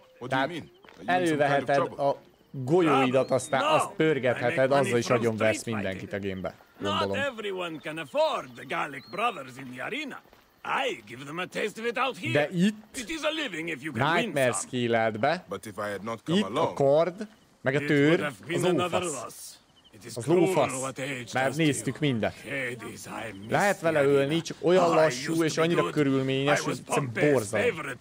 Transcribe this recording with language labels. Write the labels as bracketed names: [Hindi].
[Hungarian] Tehát előveheted a golyóidat, aztán azt pörgetheted, azzal is agyon vesz mindenkit a gamebe. [English] Not everyone can afford the Gallic Brothers in the arena. I give them a taste of it out here. [Hungarian] De itt, [English] it is a living if you can win some. But if I had not come along, [Hungarian] a kard, meg a tőr, az ófasz. Az lófasz, mert néztük mindet. Lehet vele ölni, csak olyan lassú és annyira körülményes, hogy egyszerűen borzalmas.